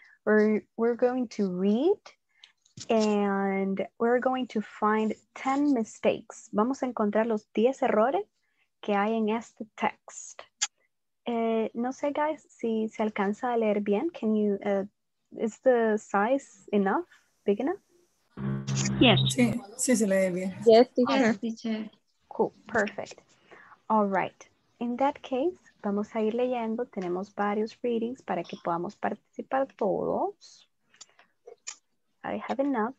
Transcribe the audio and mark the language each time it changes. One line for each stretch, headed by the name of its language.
English: We're going to read and we're going to find 10 mistakes.
Spanish: Vamos a encontrar los 10 errores que hay en este text. No sé, guys, si se alcanza a leer bien.
English: Can you, is the size enough, big enough? Yes.
Spanish: Sí, se lee bien.
English: Yes, teacher. Cool, perfect. All right. In that case,
Spanish: vamos a ir leyendo. Tenemos varios readings para que podamos participar todos.
English: I have enough.